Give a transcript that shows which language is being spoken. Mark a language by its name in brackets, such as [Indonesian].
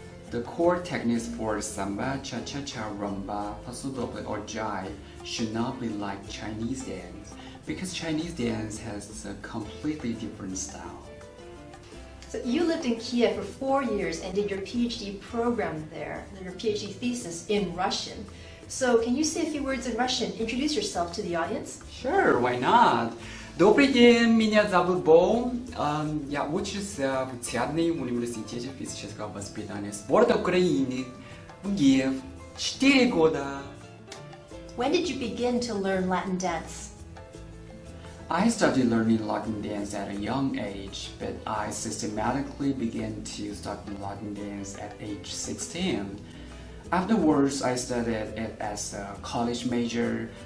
[English] The core techniques for samba, cha-cha-cha, rumba, paso-doble, or jive should not be like Chinese dance, because Chinese dance has a completely different style. So you lived in Kiev for 4 years and did your PhD program there, your PhD thesis in Russian. So can you say a few words in Russian? Introduce yourself to the audience. Sure, why not? [Russian] Добрый день, меня зовут Бол. Я учусь в Театральном университете физического воспитания спорта Украины в Киеве 4 года. [English] When did you begin to learn Latin dance? I started learning Latin dance at a young age, but I systematically began to study Latin dance at age 16. Afterwards, I studied it as a college major.